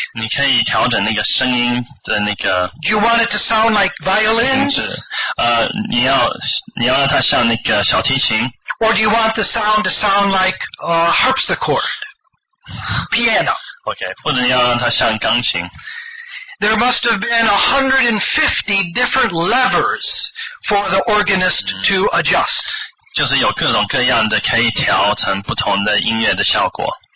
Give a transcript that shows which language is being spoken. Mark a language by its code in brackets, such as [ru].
[zh] 你可以调整那个声音的那个。 [en] Do you want it to sound like violins? [zh] 你要让它像那个小提琴。 [en] Or do you want the sound to sound like a harpsichord? Piano. [zh] Okay, 或者你要让它像钢琴。 [en] There must have been 150 different levers for the organist to adjust. [zh] 就是有各种各样的可以调成不同的音乐的效果。